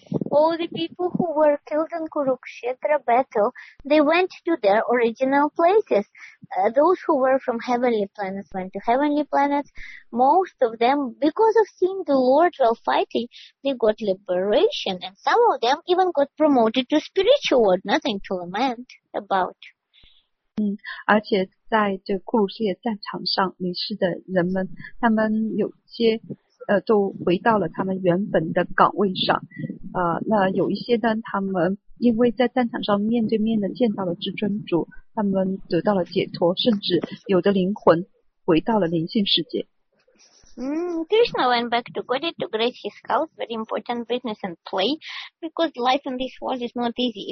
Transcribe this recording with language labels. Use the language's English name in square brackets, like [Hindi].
[English] All the people who were killed in Kurukshetra battle, they went to their original places. Those who were from heavenly planets went to heavenly planets. Most of them, because of seeing the Lord while fighting, they got liberation. And some of them even got promoted to spiritual world. Nothing to lament about. [Chinese] 而且在这库鲁世界战场上离世的人们，他们有些都回到了他们原本的岗位上。那有一些呢，他们因为在战场上面对面的见到了至尊主，他们得到了解脱，甚至有的灵魂回到了灵性世界。 [English] Krishna went back to Gaudiya to grace his house, very important business and play, because life in this world is not easy.